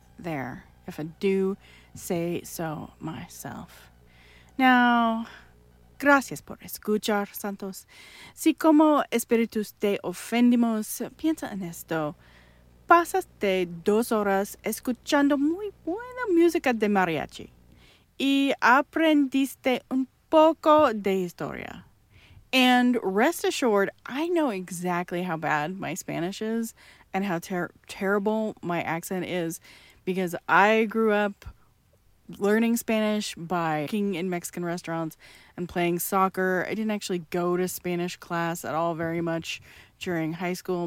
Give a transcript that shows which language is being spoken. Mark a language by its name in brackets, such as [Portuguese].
[English] there, if I do say so myself. [Spanish] Now, gracias por escuchar, Santos. Si como espíritus te ofendimos, piensa en esto. Pasaste 2 horas escuchando muy buena música de mariachi y aprendiste un poco de historia. [English] And rest assured, I know exactly how bad my Spanish is and how terrible my accent is because I grew up learning Spanish by cooking in Mexican restaurants and playing soccer. I didn't actually go to Spanish class at all very much during high school.